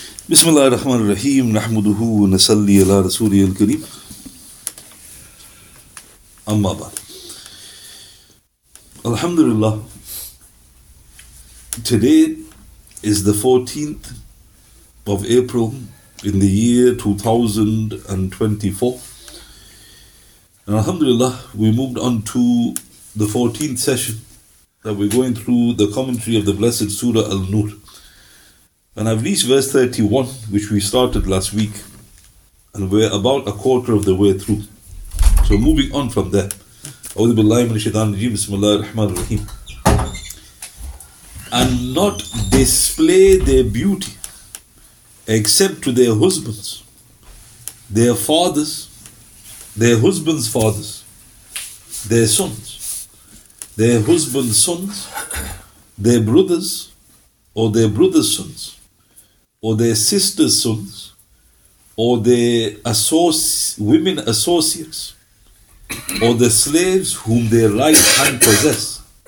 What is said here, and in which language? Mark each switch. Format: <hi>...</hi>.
<ar>بسم اللہ الرحمن الرحیم نحمدہ و نصلی علی رسول الکریم اما بعد الحمدللہ</ar> <en>today is the 14th of April in the year 2024 and alhamdulillah we moved on to the 14th session that we're going through the commentary of the blessed surah Al-Nur. And I've reached verse 31, which we started last week, and we're about a quarter of the way through. So moving on from there,</en> <ar>أعوذ بالله من الشيطان الرجيم بسم الله الرحمن الرحيم.</ar> <en>And not display their beauty, except to their husbands, their fathers, their husbands' fathers, their sons, their husbands' sons, their brothers, or their brothers' sons, or their sisters' sons, or their women associates, or the slaves whom their right hand possess,</en>